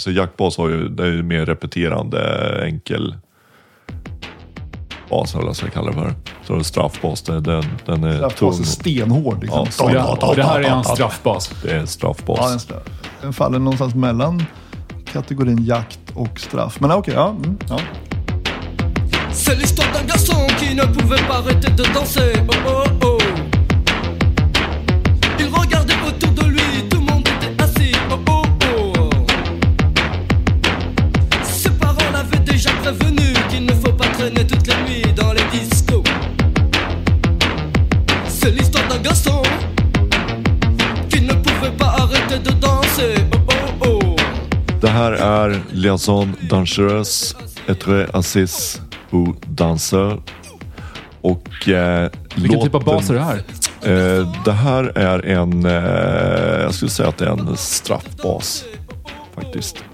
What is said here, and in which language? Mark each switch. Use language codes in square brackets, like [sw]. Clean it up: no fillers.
[sv] Så jaktbas har ju, det är ju mer repeterande enkel bas, eller så kallar det för. Så det är straffbas, den är straffbas tung. Är stenhård liksom. Ja, och det här är en straffbas. Det är en straffbas. Ja, den faller någonstans mellan kategorin jakt och straff. Men okej, okay, ja. Mm, ja. [fr] C'est l'histoire d'un garçon qui ne pouvait pas arrêter de danser. Oh oh oh. Il regardait autour de lui, tout le monde était assis. Oh oh oh. Ses parents l'avaient déjà prévenu qu'il ne faut pas traîner toute la nuit dans les discos. C'est l'histoire d'un garçon qui ne pouvait pas arrêter de danser. Oh oh oh. [sv] Det här är Liaison Dangereuse, [fr] être assis. Danser. [sv] Och vilken typ av bas är det här? Det här är en jag skulle säga att det är en straffbas faktiskt.